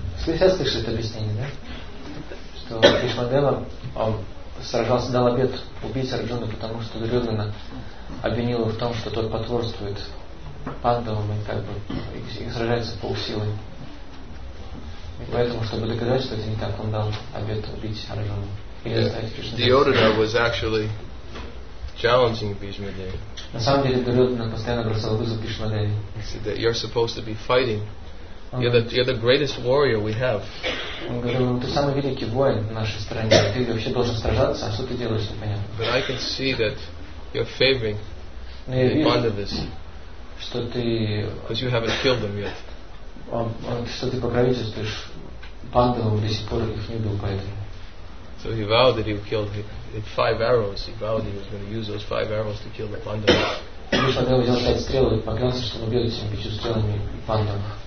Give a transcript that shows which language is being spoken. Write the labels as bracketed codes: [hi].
[ru] Слышишь это объяснение, да? Что Вишмадева сражался, дал обет убить Арджуну, потому что Дурьотхана обвинил его в том, что тот потворствует пандавам и как бы их сражается полсилы. И поэтому, чтобы доказать, что это не так, он дал обет убить Арджуну. [en] Диодана was actually challenging Бхишмадеву. [ru] На самом деле Дурьотхана постоянно бросал вызов Бхишмадеве. [en] He said that you're supposed to be fighting. You're the greatest warrior we have. [ru] Он говорил, ты самый великий воин в нашей стране. Ты вообще должен сражаться, а что ты делаешь, непонятно. [en] But I can see that you're favoring the Pandavas. [ru] Что ты? [en] Because you haven't killed them yet. [ru] Что ты покровительствуешь Пандавам, до сих пор их не убил, поэтому. [en] So he vowed that he would kill the five arrows. He vowed he was going to use those five arrows to kill the Pandavas. [ru] Вишмадева взял пять стрел и поклялся, что он убьет этими пятью стрелами Пандав.